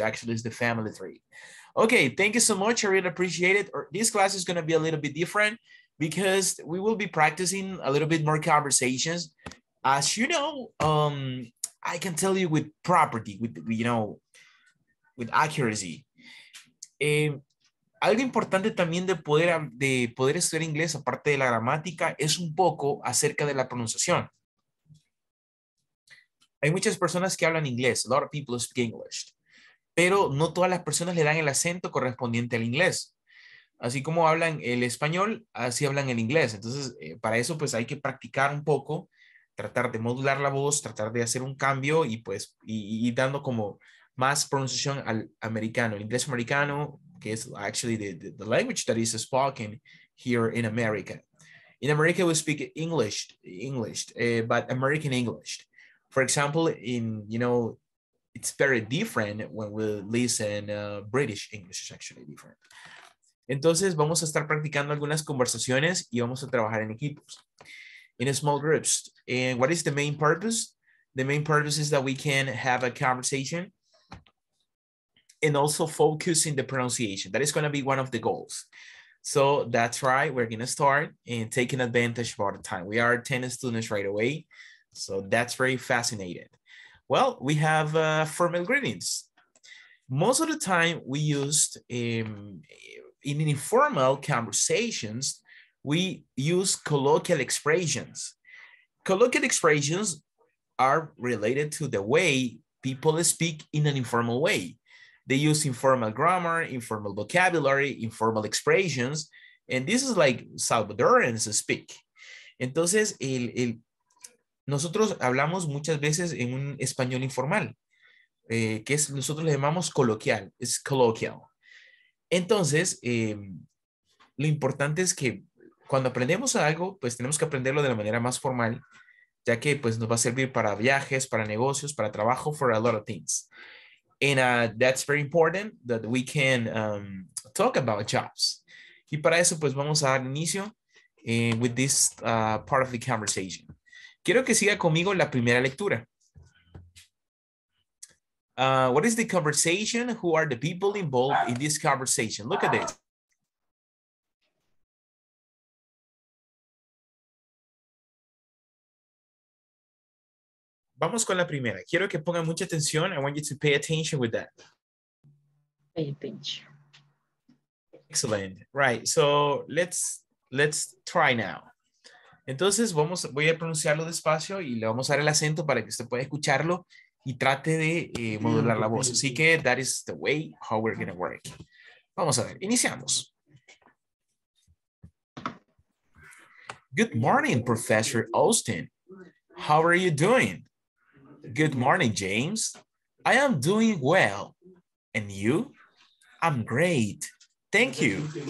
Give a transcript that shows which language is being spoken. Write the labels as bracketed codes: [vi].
[en] Actually, it's the family tree. Okay, thank you so much. I really appreciate it. This class is going to be a little bit different because we will be practicing a little bit more conversations. As you know, I can tell you with property, with accuracy. [es] Algo importante también de poder estudiar inglés, aparte de la gramática, es un poco acerca de la pronunciación. Hay muchas personas que hablan inglés, [en] a lot of people speak English, [es] pero no todas las personas le dan el acento correspondiente al inglés. Así como hablan el español, así hablan el inglés. Entonces, para eso, pues, hay que practicar un poco, tratar de modular la voz, tratar de hacer un cambio y, pues, y dando como más pronunciación al americano. El inglés americano, que es [en] actually the language that is spoken here in America. In America, we speak English, but American English. For example, in, you know, it's very different when we listen British English is actually different. [es] Entonces, vamos a estar practicando algunas conversaciones y vamos a trabajar en equipos, [en] in small groups. And what is the main purpose? The main purpose is that we can have a conversation and also focus in the pronunciation. That is going to be one of the goals. So that's right. We're going to start and taking advantage of our time. We are 10 students right away. So that's very fascinating. Well, we have formal greetings. Most of the time we used in informal conversations, we use colloquial expressions. Colloquial expressions are related to the way people speak in an informal way. They use informal grammar, informal vocabulary, informal expressions, and this is like Salvadorans speak. [es] Entonces, nosotros hablamos muchas veces en un español informal, que es, nosotros le llamamos coloquial, es colloquial. Entonces, lo importante es que cuando aprendemos algo, pues tenemos que aprenderlo de la manera más formal, ya que pues nos va a servir para viajes, para negocios, para trabajo, [en] for a lot of things. And that's very important that we can talk about jobs. [es] Y para eso, pues vamos a dar inicio [en] with this part of the conversation. [es] Quiero que siga conmigo la primera lectura. [en] What is the conversation? Who are the people involved in this conversation? Look at this. [es] Vamos con la primera. Quiero que pongan mucha atención. [en] I want you to pay attention with that. Pay attention. Excellent. Right. So let's try now. [es] Entonces voy a pronunciarlo despacio y le vamos a dar el acento para que usted pueda escucharlo y trate de modular la voz. Así que [en] that is the way how we're going to work. [es] Vamos a ver. Iniciamos. [en] Good morning, Professor Austin. How are you doing? Good morning, James. I am doing well. And you? I'm great. Thank you.